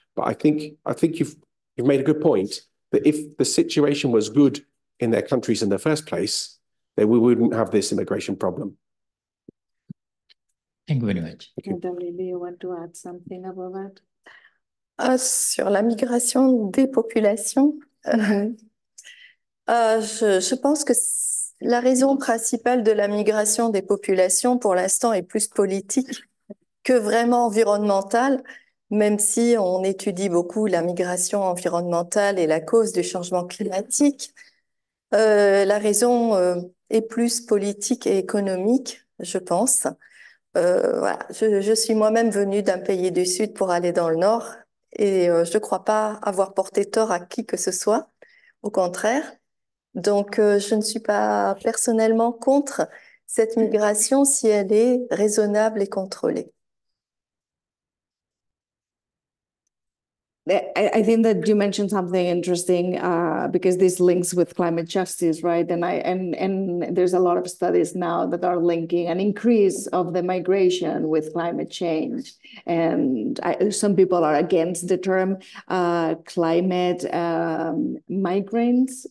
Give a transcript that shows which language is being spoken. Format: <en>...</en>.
<en>But I think you've made a good point that if the situation was good in their countries in the first place, then we wouldn't have this immigration problem. Thank you very much. Maybe you want to add something about that?</en> <fr>Sur la migration des populations, je pense que la raison principale de la migration des populations pour l'instant est plus politique que vraiment environnementale, même si on étudie beaucoup la migration environnementale et la cause du changement climatique. La raison est plus politique et économique, je pense. Voilà. Je suis moi-même venue d'un pays du Sud pour aller dans le Nord. Et je ne crois pas avoir porté tort à qui que ce soit, au contraire. Donc, je ne suis pas personnellement contre cette migration si elle est raisonnable et contrôlée.</fr> <en>I think that you mentioned something interesting because this links with climate justice, right? And there's a lot of studies now that are linking an increase of the migration with climate change. And some people are against the term climate migrants.</en>